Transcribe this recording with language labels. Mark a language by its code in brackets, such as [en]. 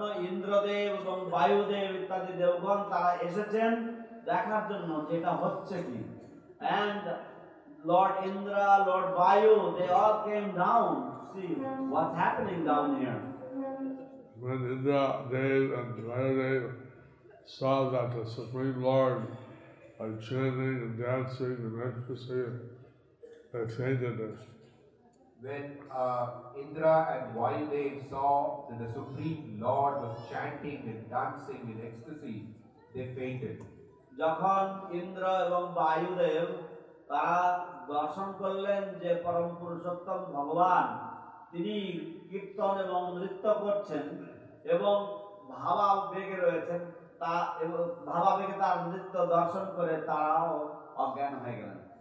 [bn] ইন্দ্রদেব এবং বায়ুদেব ইত্যাদি দেবগণ তারা এসেছেন দেখার জন্য যেটা হচ্ছে কি. [en] And Lord Indra, Lord Vayu, they all came down to see what's happening down here. When Indra, Dev and Vayudev saw that the Supreme Lord are chanting and dancing and ecstasy, they fainted it. When Indra and Vayudev saw that the Supreme Lord was chanting and dancing in ecstasy, they fainted. [bn] যখন ইন্দ্র এবং বায়ুদেব তারা দর্শন করলেন যে পরম পুরুষোত্তম ভগবান তিনি কীর্তন এবং নৃত্য করছেন এবং ভাবাবেগে রয়েছেন তা এবং ভাবাবেগে তার নৃত্য দর্শন করে তারাও অজ্ঞান হয়ে গেলেন.